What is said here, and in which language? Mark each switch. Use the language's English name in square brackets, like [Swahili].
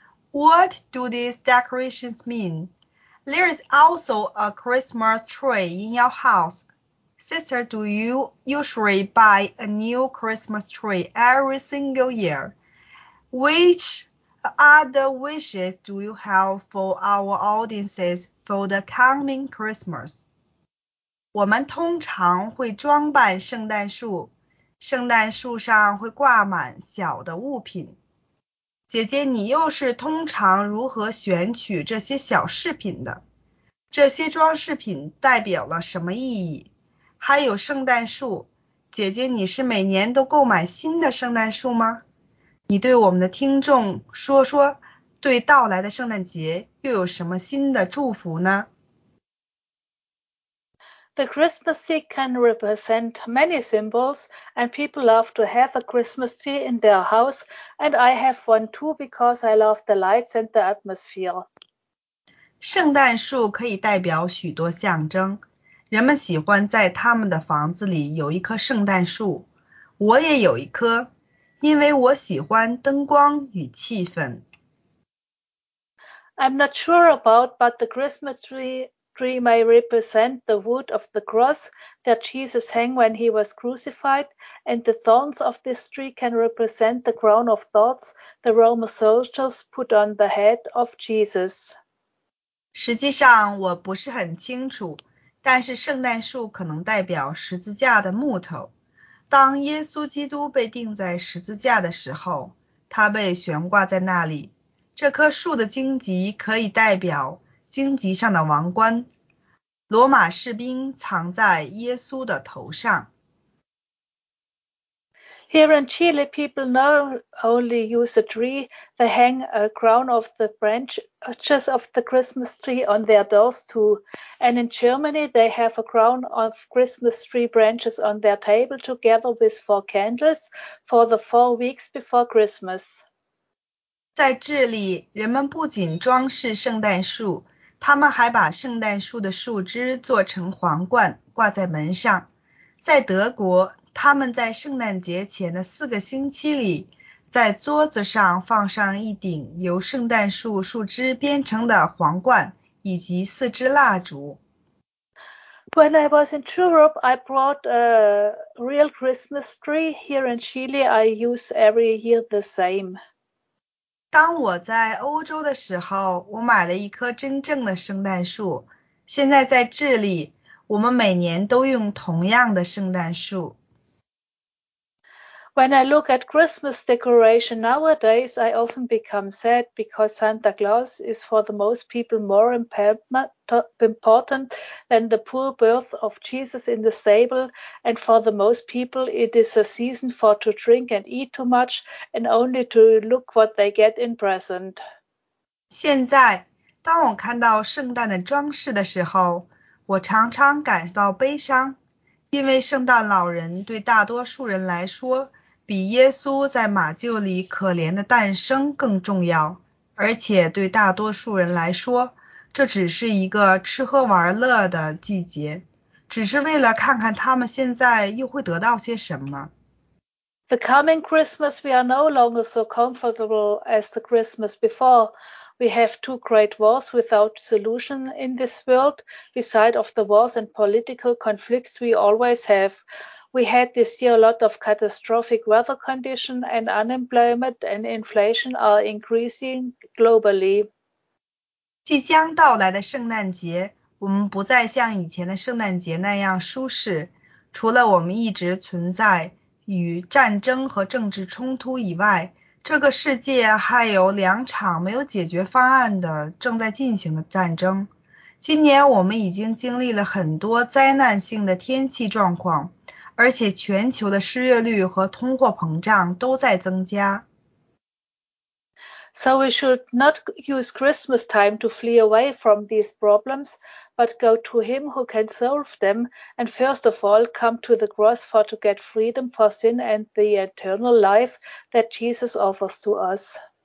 [English] What do these decorations mean? There is also a Christmas tree in your house. Sister, do you usually buy a new Christmas tree every single year? Which other wishes do you have for our audiences for the coming Christmas? [Chinese] 我们通常会装扮圣诞树，圣诞树上会挂满小的物品。姐姐，你又是通常如何选取这些小饰品的？这些装饰品代表了什么意义？还有圣诞树，姐姐，你是每年都购买新的圣诞树吗？你对我们的听众说说，对到来的圣诞节又有什么新的祝福呢？ [English] The Christmas tree can represent many symbols, and people love to have a Christmas tree in their house, and I have one too because I love the lights and the atmosphere. [Chinese] 圣诞树可以代表许多象征，人们喜欢在他们的房子里有一棵圣诞树，我也有一棵，因为我喜欢灯光与气氛。 [English] I'm not sure about, but the Christmas tree may represent the wood of the cross that Jesus hung when he was crucified, and the thorns of this tree can represent the crown of thorns the Roman soldiers put on the head of Jesus. [Chinese] 实际上我不是很清楚，但是圣诞树可能代表十字架的木头。当耶稣基督被钉在十字架的时候，他被悬挂在那里。这棵树的荆棘可以代表荆棘上的王冠，罗马士兵藏在耶稣的头上。 [English] Here in Chile, people not only use a tree, they hang a crown of the branches of the Christmas tree on their doors too. And in Germany, they have a crown of Christmas tree branches on their table together with four candles for the 4 weeks before Christmas. [Chinese] 在智利，人们不仅装饰圣诞树，他们还把圣诞树的树枝做成皇冠挂在门上。在德国，他们在圣诞节前的四个星期里，在桌子上放上一顶由圣诞树树枝编成的皇冠以及四支蜡烛。 [English] When I was in Europe, I brought a real Christmas tree. Here in Chile, I use every year the same. [Chinese] 当我在欧洲的时候，我买了一棵真正的圣诞树。现在在智利，我们每年都用同样的圣诞树。 [English] When I look at Christmas decoration nowadays, I often become sad because Santa Claus is for the most people more important than the poor birth of Jesus in the stable, and for the most people it is a season for to drink and eat too much and only to look what they get in present. [Chinese] 现在，当我看到圣诞的装饰的时候，我常常感到悲伤，因为圣诞老人对大多数人来说比耶稣在马厩里可怜的诞生更重要，而且对大多数人来说，这只是一个吃喝玩乐的季节，只是为了看看他们现在又会得到些什么。 [English] The coming Christmas, we are no longer so comfortable as the Christmas before. We have two great wars without solution in this world, beside of the wars and political conflicts we always have. We had this year a lot of catastrophic weather conditions, and unemployment and inflation are increasing globally. [Chinese] 即将到来的圣诞节，我们不再像以前的圣诞节那样舒适。除了我们一直存在与战争和政治冲突以外，这个世界还有两场没有解决方案的正在进行的战争。今年我们已经经历了很多灾难性的天气状况。而且全球的失业率和通货膨胀都在增加。 [English] So we should not use Christmas time to flee away from these problems, but go to him who can solve them, and first of all come to the cross for to get freedom for sin and the eternal life that Jesus offers to us.